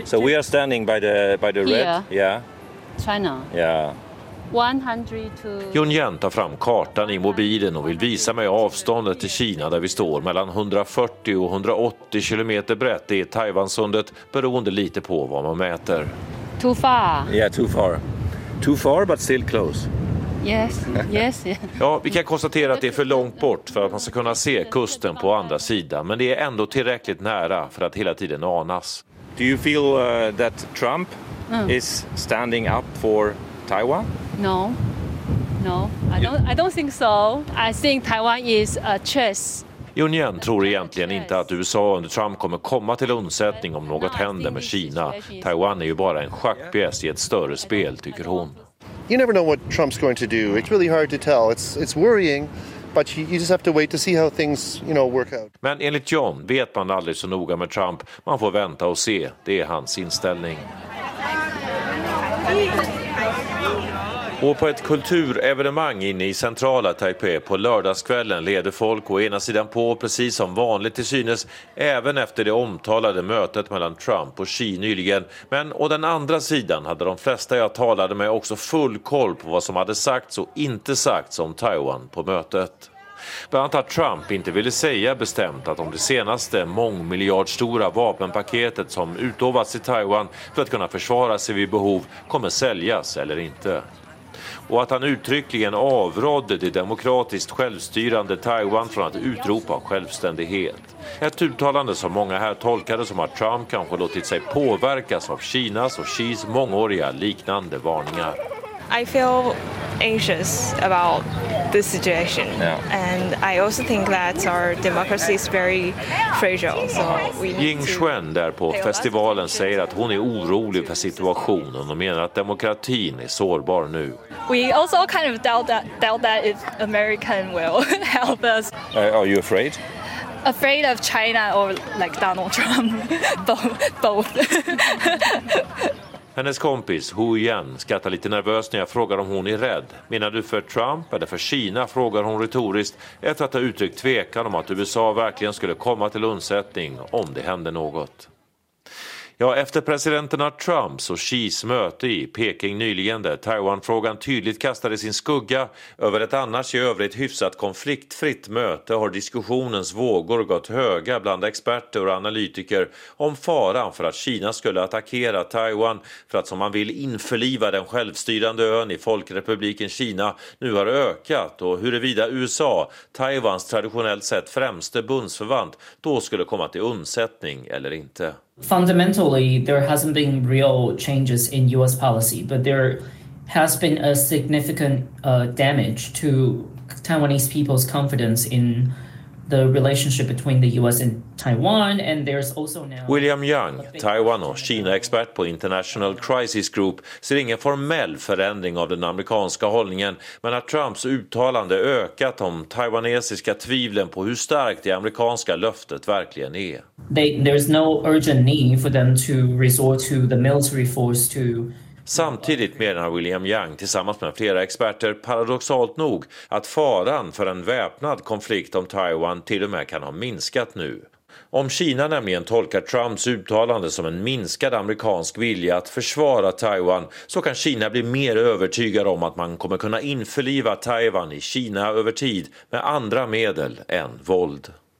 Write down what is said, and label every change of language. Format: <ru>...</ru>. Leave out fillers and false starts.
<en>So we are standing by the red. Yeah. China. Yeah. 102.</en> <sv>Yun Yen tar fram kartan i mobilen och vill visa mig avståndet till Kina där vi står. Mellan 140 och 180 kilometer brett är Taiwansundet, beroende lite på vad man mäter.</sv> <en>Too far. Yeah, too far. Too far but still close. Yes, yes. Yeah.</en> <sv>Ja, vi kan konstatera att det är för långt bort för att man ska kunna se kusten på andra sidan. Men det är ändå tillräckligt nära för att hela tiden anas.</sv> <en>Do you feel that Trump is standing up for Taiwan? No. I don't think so. I think Taiwan is a chess.</en> <sv>Yun Yen tror egentligen inte att USA under Trump kommer komma till undsättning om något händer med Kina. Taiwan är ju bara en schackpjäs i ett större spel, tycker hon.</sv> <en>You never know what Trump's going to do. It's really hard to tell. It's worrying. But you just have to wait to see how things, you know, work out.</en> <sv>Men enligt John vet man aldrig så noga med Trump. Man får vänta och se. Det är hans inställning. Och på ett kulturevenemang inne i centrala Taipei på lördagskvällen leder folk å ena sidan på, precis som vanligt till synes, även efter det omtalade mötet mellan Trump och Xi nyligen. Men å den andra sidan hade de flesta jag talade med också full koll på vad som hade sagts och inte sagts om Taiwan på mötet. Bland annat att Trump inte ville säga bestämt att om det senaste mångmiljardstora vapenpaketet som utlovats i Taiwan för att kunna försvara sig vid behov kommer säljas eller inte. Och att han uttryckligen avrådde det demokratiskt självstyrande Taiwan från att utropa självständighet. Ett uttalande som många här tolkade som att Trump kanske låtit sig påverkas av Kinas och Xis mångåriga liknande varningar.</sv> <en>I feel anxious about this situation, yeah. And I also think that our democracy is very fragile. So</en> <sv>Ying Xuan där på festivalen säger att hon är orolig för situationen och menar att demokratin är sårbar nu.</sv> <en>We also kind of doubt that if American will help us. Are you afraid? Afraid of China or like Donald Trump? Both.</en> <sv>Hennes kompis Hu Yan skrattar lite nervös när jag frågar om hon är rädd. Menar du för Trump eller för Kina, frågar hon retoriskt efter att ha uttryckt tvekan om att USA verkligen skulle komma till undsättning om det hände något. Ja, efter presidenterna Trumps och Xis möte i Peking nyligen där Taiwan-frågan tydligt kastade sin skugga över ett annars i övrigt hyfsat konfliktfritt möte har diskussionens vågor gått höga bland experter och analytiker om faran för att Kina skulle attackera Taiwan för att, som man vill, införliva den självstyrande ön i Folkrepubliken Kina nu har ökat och huruvida USA, Taiwans traditionellt sett främste bundsförvant, då skulle komma till undsättning eller inte.</sv> <en>Fundamentally, there hasn't been real changes in US policy, but there has been a significant damage to Taiwanese people's confidence in the relationship between the US and Taiwan, and there's also now</en> <sv>William Young, Taiwan och Kina expert på International Crisis Group, ser ingen formell förändring av den amerikanska hållningen, men att Trumps uttalande ökat om taiwanesiska tvivlen på hur starkt det amerikanska löftet verkligen är.</sv> <en>There's no urgent need for them to resort to the military force to.</en> <sv>Samtidigt menar William Young tillsammans med flera experter paradoxalt nog att faran för en väpnad konflikt om Taiwan till och med kan ha minskat nu. Om Kina nämligen tolkar Trumps uttalande som en minskad amerikansk vilja att försvara Taiwan så kan Kina bli mer övertygad om att man kommer kunna införliva Taiwan i Kina över tid med andra medel än våld.</sv>